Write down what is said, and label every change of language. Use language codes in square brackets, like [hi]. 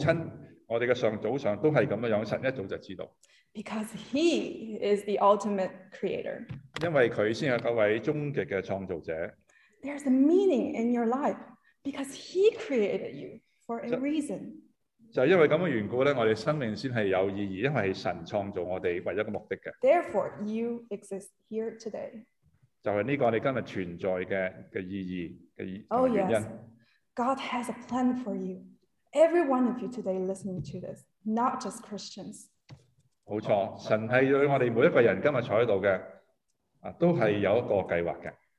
[zh] 神对于我们的认知是早于我们出生，甚至被怀孕，连我们的母亲，我们的上祖上都是这样，神一早就知道。 [en] Because He is the ultimate creator. [zh] 因为他才是那位终极的创造者。 [en] There's a meaning in your life because He created you for a reason. [zh] 就因为这样的缘故，我们生命才是有意义，因为是神创造我们，唯一的目的。 [en] Therefore, you exist here today. [zh] 就是这个我们今天存在的意义，的原因。 [en] Oh yes, God has a plan for you. Every one of you today listening to this, not just Christians. [zh] 没错，神是对我们每一个人今天坐在这里的，都是有一个计划的。